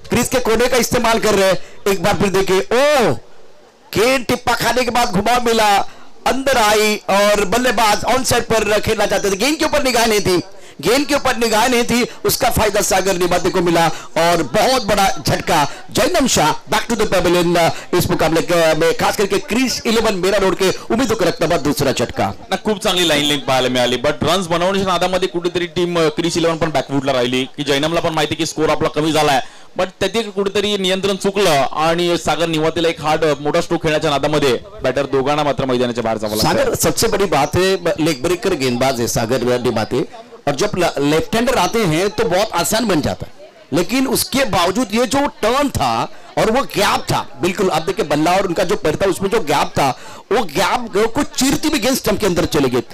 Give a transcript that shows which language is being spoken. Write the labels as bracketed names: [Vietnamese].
[Hindi] Crease के कोने का इस्तेमाल कर रहे, एक बार फिर देखिए, ओ गेंद टिप्पा खाने के बाद घुमा मिला अंदर आई और बल्लेबाज ऑनसाइड पर खेलना चाहते थे. गेंद के ऊपर निगाह नहीं थी, गेंद के ऊपर निगाह नहीं थी, उसका फायदा सागर निभाते को मिला और बहुत बड़ा झटका. Jainam Shah back to the pavilion इस मुकाबले में, खास करके क्रीज 11 मेरा रोड के उम्मीदों के रखता दूसरा झटका. [Marathi] खूब चांगली लाइन लिंक पाहायला मिळाली बट रन्स बनवण्याच्या नादामध्ये कुठेतरी टीम क्रीज 11 पण बॅकफूटला राहिली. की जैनमला पण माहिती की स्कोर आपला कमी झालाय बट त्याचे कुठेतरी नियंत्रण चुकलं आणि सागर निवातेला एक हार्ड मोठा स्ट्रोक खेळण्याच्या नादामध्ये बॅटर दोघांना मात्र मैदानाच्या बाहेर जावं लागलं. [Hindi] सागर सबसे बड़ी बात है, लेग ब्रेकर गेंदबाज है सागर निवाते और जब लेफ्ट हैंडर आते हैं तो बहुत आसान बन जाता है. लेकिन उसके बावजूद ये जो टर्न था और वो गैप था, बिल्कुल आप देखिए बल्ला और उनका जो पैर था उसमें जो गैप था, वो गैप को चीरती भी गेंद स्टंप के अंदर चले गए।